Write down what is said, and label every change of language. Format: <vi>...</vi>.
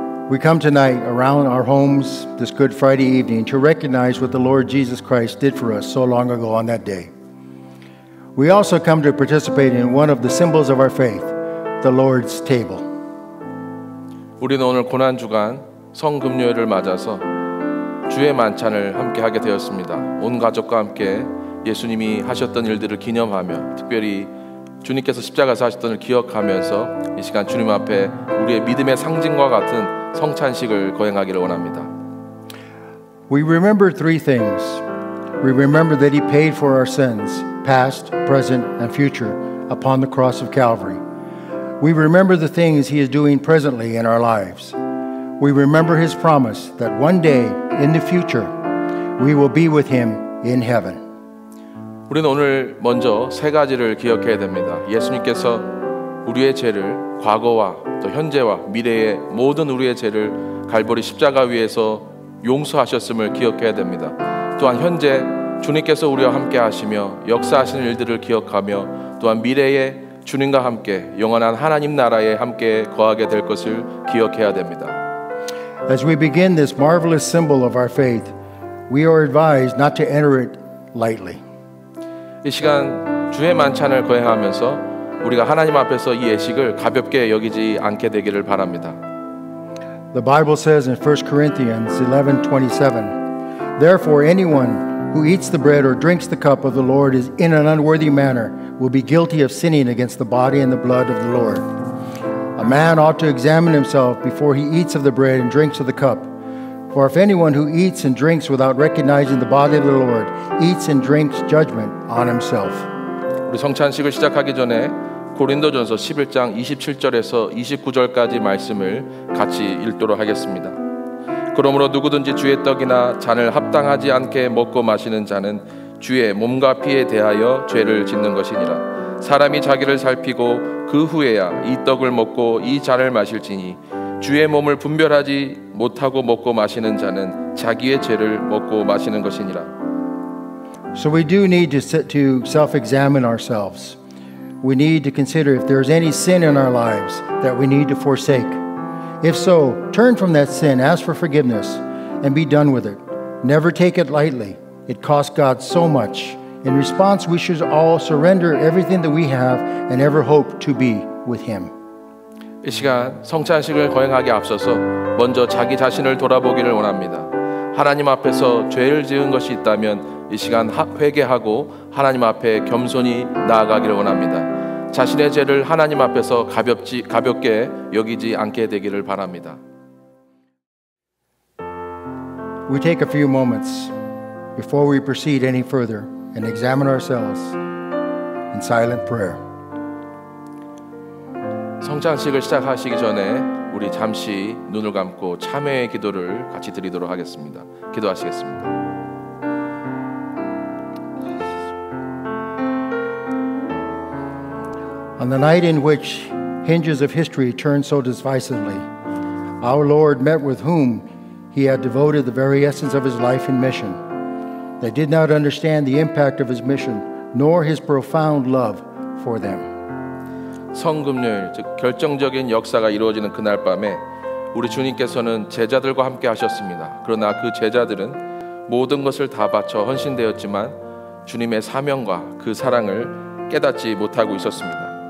<en>We come tonight around our homes this Good Friday evening to recognize what the Lord Jesus Christ did for us so long ago on that day. We also come to participate in one of the symbols of our faith, the Lord's table.</en> <ko>우리는 오늘 고난 주간 성금요일을 맞아서 주의 만찬을 함께 하게 되었습니다. 온 가족과 함께 예수님이 하셨던 일들을 기념하며 특별히 주님께서 십자가에서 하셨던 일을 기억하면서 이 시간 주님 앞에 우리의 믿음의 상징과 같은 성찬식을 거행하기를 원합니다.</ko> <en>We remember three things. We remember that he paid for our sins, past, present, and future upon the cross of Calvary. We remember the things he is doing presently in our lives. We remember his promise that one day in the future we will be with him in heaven.</en> <ko>우리는 오늘 먼저 세 가지를 기억해야 됩니다. 예수님께서 우리의 죄를 과거와 또 현재와 미래의 모든 우리의 죄를 갈보리 십자가 위에서 용서하셨음을 기억해야 됩니다. 또한 현재 주님께서 우리와 함께 하시며 역사하시는 일들을 기억하며 또한 미래에 주님과 함께 영원한 하나님 나라에 함께 거하게 될 것을 기억해야 됩니다.</ko> <en>As we begin this marvelous symbol of our faith, we are advised not to enter it lightly.</en> <ko>이 시간 주의 만찬을 거행하면서 우리가 하나님 앞에서 이 예식을 가볍게 여기지 않게 되기를 바랍니다.</ko> <en>The Bible says in 1 Corinthians 11:27, Therefore anyone who eats the bread or drinks the cup of the Lord is in an unworthy manner will be guilty of sinning against the body and the blood of the Lord. A man ought to examine himself before he eats of the bread and drinks of the cup. For if anyone who eats and drinks without recognizing the body of the Lord eats and drinks judgment on himself.</en> <ko>우리 성찬식을 시작하기 전에 고린도전서 11장 27절에서 29절까지 말씀을 같이 읽도록 하겠습니다. 그러므로 누구든지 주의 떡이나 잔을 합당하지 않게 먹고 마시는 자는 주의 몸과 피에 대하여 죄를 짓는 것이니라. 사람이 자기를 살피고 그 후에야 이 떡을 먹고 이 잔을 마실지니 주의 몸을 분별하지 못하고 먹고 마시는 자는 자기의 죄를 먹고 마시는 것이니라.</ko> <en>So we do need to self-examine ourselves. We need to consider if there's any sin in our lives that we need to forsake. If so, turn from that sin, ask for forgiveness, and be done with it. Never take it lightly. It costs God so much. In response, we should all surrender everything that we have and ever hope to be with Him.</en> <ko>이 시간 성찬식을 거행하기 앞서서 먼저 자기 자신을 돌아보기를 원합니다. 하나님 앞에서 죄를 지은 것이 있다면 이 시간 회개하고 하나님 앞에 겸손히 나아가기를 원합니다. 자신의 죄를 하나님 앞에서 가볍게 여기지 않게 되기를 바랍니다.</ko> <en>We take a few moments before we proceed any further and examine ourselves in silent prayer.</en> <ko>성찬식을 시작하시기 전에 우리 잠시 눈을 감고 참회의 기도를 같이 드리도록 하겠습니다. 기도하시겠습니다.</ko> <en>On the night in which hinges of history turned so decisively, our Lord met with whom he had devoted the very essence of his life and mission. They did not understand the impact of his mission, nor his profound love for them.</en> <ko>성금요일, 즉 결정적인 역사가 이루어지는 그날 밤에 우리 주님께서는 제자들과 함께 하셨습니다. 그러나 그 제자들은 모든 것을 다 바쳐 헌신되었지만 주님의 사명과 그 사랑을 깨닫지 못하고 있었습니다.</ko>